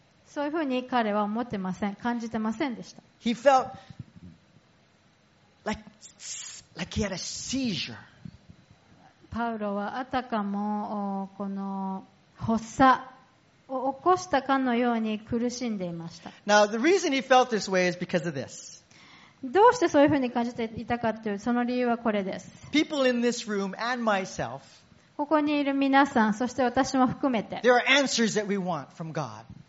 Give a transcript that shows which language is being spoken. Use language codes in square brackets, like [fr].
[ja] そういうふうに彼は思ってません、感じてませんでした。 [en] He felt like he had a seizure. [ja] パウロはあたかもこの発作を起こしたかのように苦しんでいました。 [en] Now, the reason he felt this way is because of this. [ja] どうしてそういうふうに感じていたかというその理由はこれです。 [en] People in this room and myself, [ja] ここにいる皆さん、そして私も含めて、 [en] there are answers that we want from God.